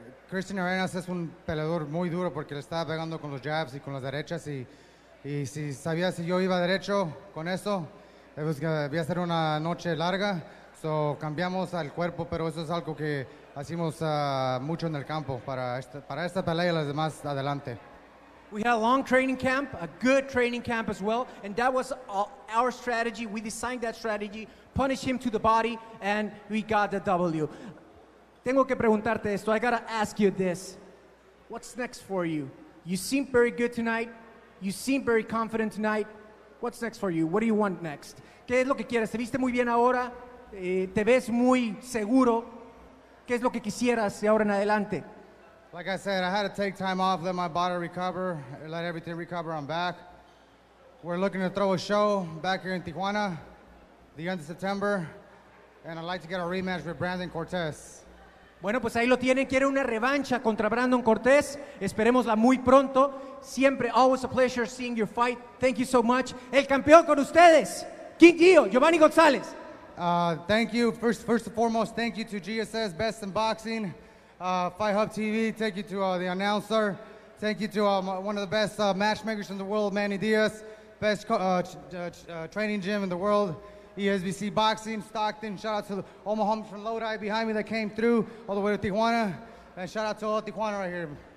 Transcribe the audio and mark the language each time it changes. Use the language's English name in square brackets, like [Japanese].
[Spanish] Christain Arenas es un peleador muy duro porque le estaba pegando con los jabs y con las derechas y si sabía si yo iba derecho con eso, pues que iba a ser una noche larga, so cambiamos al cuerpo, pero eso es algo que hacemos mucho en el campo para esta pelea y las demás adelante. [English] We had a long training camp, a good training camp as well, and that was our strategy. We designed that strategy, punish him to the body, and we got the W. [Spanish] Tengo que preguntarte esto. [English] I gotta ask you this. What's next for you? You seem very good tonight. You seem very confident tonight. What's next for you? What do you want next? [Spanish] ¿Qué es lo que quieres? ¿Te viste muy bien ahora? ¿Te ves muy seguro? ¿Qué es lo que quisieras de ahora en adelante? [English] Like I said, I had to take time off, let my body recover, let everything recover. I'm back. We're looking to throw a show back here in Tijuana, the end of September, and I'd like to get a rematch with Brandon Cortez. [Spanish] Bueno, pues ahí lo tienen. Quiere una revancha contra Brandon Cortez. Esperemosla muy pronto. [English] Siempre, always a pleasure seeing your fight. Thank you so much. [Spanish] El campeón con ustedes, King Gio, Giovannie Gonzalez. [English] Thank you. First and foremost, thank you to GSS, Best in Boxing, Fight Hub TV. Thank you to the announcer. Thank you to one of the best matchmakers in the world, Manny Diaz. Best training gym in the world. ESBC Boxing, Stockton, shout out to all my homies from Lodi behind me that came through all the way to Tijuana, and shout out to all Tijuana right here.